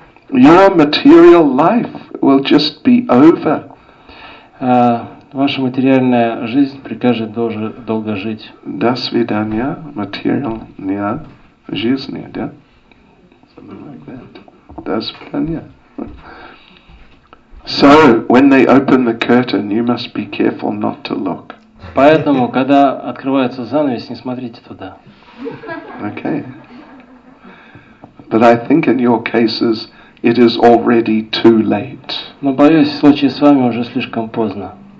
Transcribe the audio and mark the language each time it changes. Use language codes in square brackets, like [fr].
[en] Your material life will just be over. [ru] Ваша материальная жизнь прикажет долго жить. До свидания, материальная жизнь, да? [en] Like [ru] до свидания. [en] So, when they open the curtain, you must be careful not to look. [ru] Поэтому, когда открывается занавес, не смотрите туда. [en] Okay. But I think in your cases, it is already too late. [ru] Но боюсь, в случае с вами уже слишком поздно.